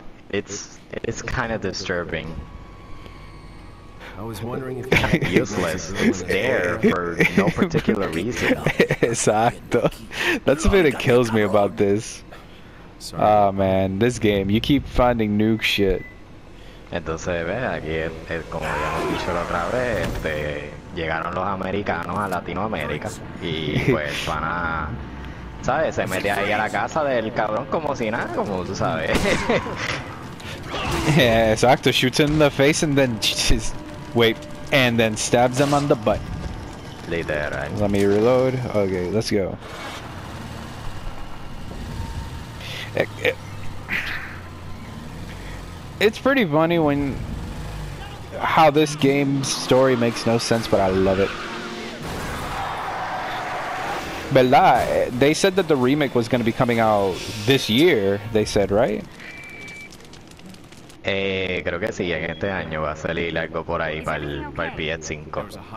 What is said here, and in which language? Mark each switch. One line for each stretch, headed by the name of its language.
English: It's kind of disturbing. I was wondering if it was useless. It was there for no particular reason.
Spanish: Exacto.
English: That's the thing that kills me about this. Ah, man, this game. You keep finding nuke shit.
Spanish: Entonces, ve, aquí es como ya hemos dicho la otra vez. Llegaron los americanos a Latinoamérica y pues van a, ¿sabes? Se mete ahí a la casa del cabrón como si nada, como tú sabes.
English: Yeah, exacto. Shoots him in the face and then just. Wait, and then stabs him on the butt. Later, right? Let me reload. Okay, let's go. It's pretty funny how this game's story makes no sense, but I love it.
Spanish: ¿Verdad?
English: They said that the remake was going to be coming out this year, they said, right?
Spanish: Creo que sí, en este año va a salir algo por ahí para el PS5.